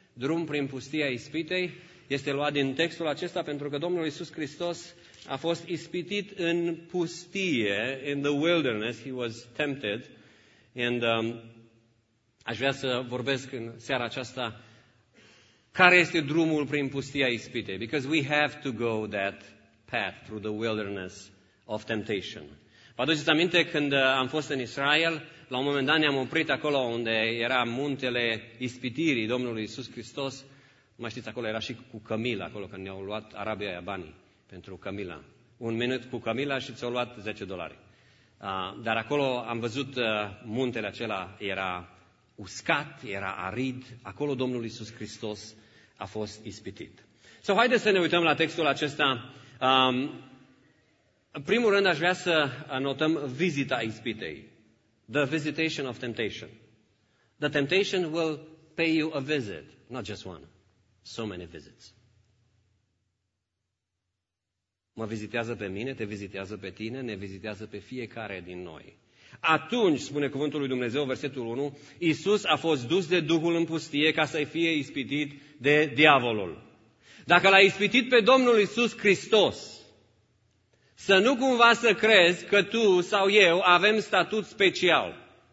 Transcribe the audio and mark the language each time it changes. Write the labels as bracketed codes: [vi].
[ro] Drum prin pustia ispitei este luat din textul acesta pentru că Domnul Iisus Hristos a fost ispitit în pustie, [en] in the wilderness, he was tempted. [ro] And aș vrea să vorbesc în seara aceasta care este drumul prin pustia ispitei. [en] Because we have to go that path through the wilderness of temptation. [ro] Vă aduceți aminte când am fost în Israel, la un moment dat ne-am oprit acolo unde era muntele ispitirii Domnului Iisus Hristos. Mai știți, acolo era și cu Camila, acolo când ne-au luat Arabia aia banii pentru Camila. Un minut cu Camila și ți-au luat $10. Dar acolo am văzut muntele acela, era uscat, era arid, acolo Domnul Iisus Hristos a fost ispitit. So, haideți să ne uităm la textul acesta. În primul rând aș vrea să notăm vizita ispitei. [en] The visitation of temptation. The temptation will pay you a visit, not just one. So many visits. [ro] Mă vizitează pe mine, te vizitează pe tine, ne vizitează pe fiecare din noi. Atunci, spune cuvântul lui Dumnezeu, versetul 1, Iisus a fost dus de Duhul în pustie ca să-i fie ispitit de diavolul. Dacă l-a ispitit pe Domnul Iisus Hristos, să nu cumva să crezi că tu sau eu avem statut special.